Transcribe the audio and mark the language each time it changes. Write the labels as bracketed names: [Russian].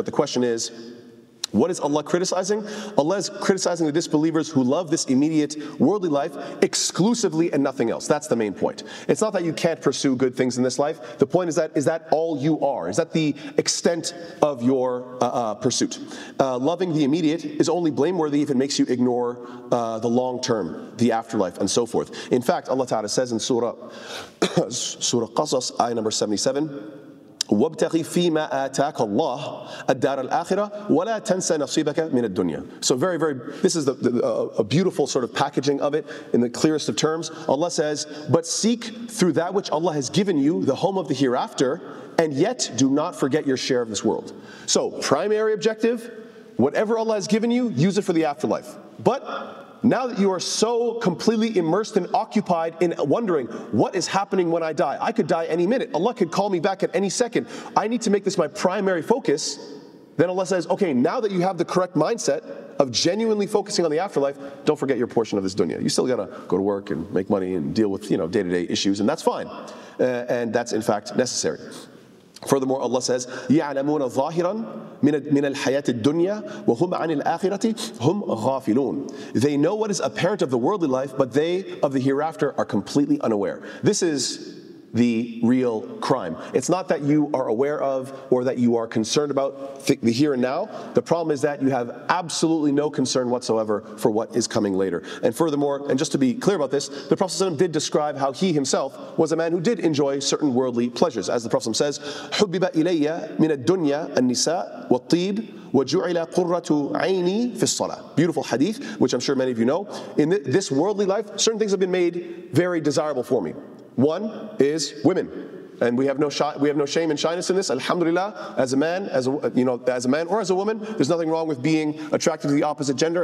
[English] But the question is, what is Allah criticizing? Allah is criticizing the disbelievers who love this immediate worldly life exclusively and nothing else. That's the main point. It's not that you can't pursue good things in this life. The point is that all you are? Is that the extent of your pursuit? Loving the immediate is only blameworthy if it makes you ignore the long term, the afterlife, and so forth. In fact, Allah Ta'ala says in Surah Qasas, ayah number 77, [Arabic] وَابْتَغِ فِي مَا آتَاكَ اللَّهُ الدَّارَ الْآخِرَةِ وَلَا تَنْسَى نَصِيبَكَ مِنَ الدُّنْيَا. [English] So very, very, this is a beautiful sort of packaging of it in the clearest of terms. Allah says, but seek through that which Allah has given you, the home of the hereafter, and yet do not forget your share of this world. So primary objective, whatever Allah has given you, use it for the afterlife. But now that you are so completely immersed and occupied in wondering what is happening when I die, I could die any minute. Allah could call me back at any second. I need to make this my primary focus. Then Allah says, okay, now that you have the correct mindset of genuinely focusing on the afterlife, don't forget your portion of this dunya. You still gotta go to work and make money and deal with, you know, day-to-day issues, and that's fine. And that's in fact necessary. Furthermore, Allah says, [Arabic] يَعْلَمُونَ ظَاهِرًا مِنَ الْحَيَاةِ الدُّنْيَا وَهُمْ عَنِ الْآخِرَةِ هُمْ غَافِلُونَ. [English] They know what is apparent of the worldly life, but they of the hereafter are completely unaware. This is the real crime. It's not that you are aware of or that you are concerned about the here and now. The problem is that you have absolutely no concern whatsoever for what is coming later. And furthermore, and just to be clear about this, the Prophet ﷺ did describe how he himself was a man who did enjoy certain worldly pleasures. As the Prophet ﷺ says, [Arabic] حُبِّبَ إِلَيَّ مِنَ الدُّنْيَا النِّسَاءُ وَالطِّيبُ وَجُعِلَ قُرَّةُ عَيْنِي فِي الصَّلَةِ. [English] Beautiful hadith, which I'm sure many of you know. In this worldly life, certain things have been made very desirable for me. One is women, and we have no shame and shyness in this. Alhamdulillah, as a man, as a man or as a woman, there's nothing wrong with being attracted to the opposite gender.